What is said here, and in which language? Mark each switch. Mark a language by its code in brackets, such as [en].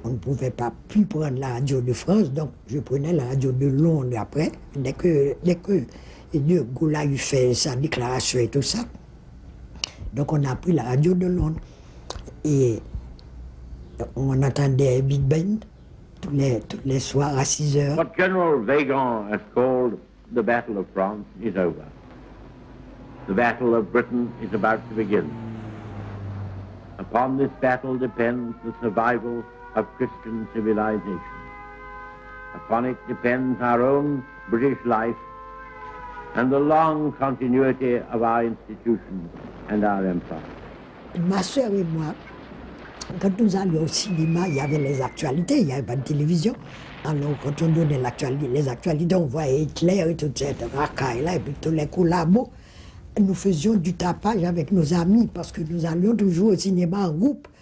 [fr] On ne pouvait pas plus prendre la radio de France, donc je prenais la radio de Londres après. Dès que De Gaulle a eu fait sa déclaration et tout ça. Donc, on a pris la radio de Londres. Et on entendait Big Ben tous les soirs à 6 heures. [en] What General Weygand has called the Battle of France is over. The Battle of Britain is about to begin. Upon this battle depends the survival of Christian civilization. Upon it depends our own British life and the long continuity of our institutions and our empire. [fr] Ma sœur et moi, quand nous allions au cinéma, il y avait les actualités, il n'y avait pas de télévision. Alors, quand on donnait les actualités, on voyait Hitler et tout ça, racaille, et puis tous les collabos. Nous faisions du tapage avec nos amis parce que nous allions toujours au cinéma en groupe.